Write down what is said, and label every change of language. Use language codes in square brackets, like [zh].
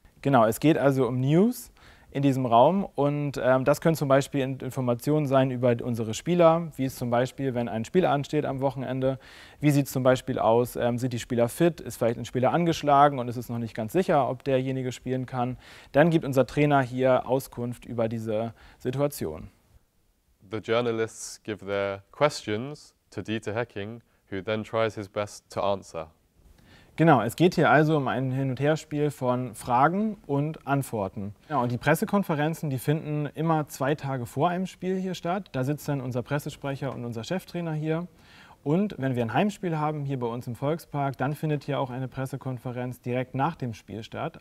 [de] Genau, es geht also um News in diesem Raum und das können zum Beispiel Informationen sein über unsere Spieler, wie es zum Beispiel, wenn ein Spieler ansteht am Wochenende, wie sieht es zum Beispiel aus, sind die Spieler fit, ist vielleicht ein Spieler angeschlagen und ist es noch nicht ganz sicher, ob derjenige spielen kann, dann gibt unser Trainer hier Auskunft über diese Situation. [en] The journalists give their questions to Dieter Hecking, who then tries his best to answer. [de] Genau, es geht hier also um ein Hin- und Herspiel von Fragen und Antworten. Ja, und die Pressekonferenzen, die finden immer 2 Tage vor einem Spiel hier statt. Da sitzt dann unser Pressesprecher und unser Cheftrainer hier. Und wenn wir ein Heimspiel haben hier bei uns im Volkspark, dann findet hier auch eine Pressekonferenz direkt nach dem Spiel statt.